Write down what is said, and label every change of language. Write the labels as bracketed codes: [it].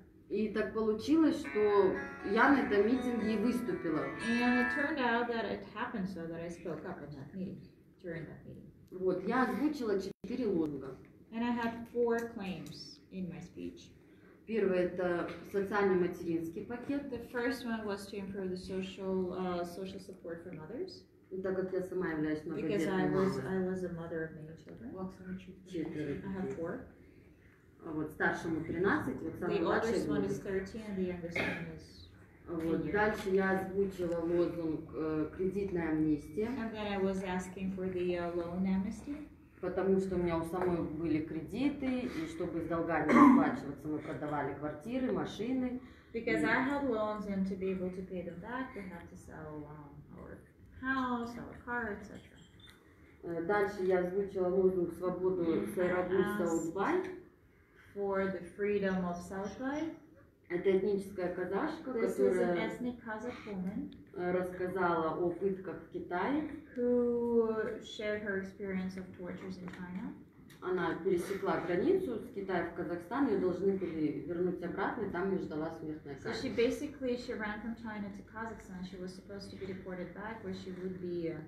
[ru] И так получилось, что я на этом митинге и выступила. [en] And it turned out that it happened so that I spoke up in that meeting, during that meeting. [ru] Вот, я озвучила 4 лозунга. [en] And I had 4 claims in my speech. [ru] Первое – это социально-материнский пакет. [en] The first one was to improve the social support for mothers. [ru] Так как я сама являюсь многодетной мамой. [en] Because I was a mother of many children. I have 4. [ru] Вот старшему 13, вот самому младшему. Дальше я озвучила лозунг кредитная амнистия. [en] And then I was asking for the loan amnesty. [ru] Потому что у меня у самой были кредиты, и чтобы с долгами расплачиваться, мы продавали квартиры, машины. [en] Because I had loans and to be able to pay them back, we have to sell our house, our car, etc. [ru] Дальше я озвучила лозунг свободу с аэробуса Узбай. [en] For the freedom of Саутбай. [ru] Это этническая казашка, [en] this [ru] которая [en] is an ethnic Kazakh woman, [ru] рассказала о пытках в Китае. [en] Who shared her experience of tortures in China. [ru] Она пересекла границу с Китая в Казахстан, ее должны были вернуть обратно, и там ее ждала смертная казнь. [en] So she basically she ran from China to Kazakhstan. She was supposed to be deported back, where she would be.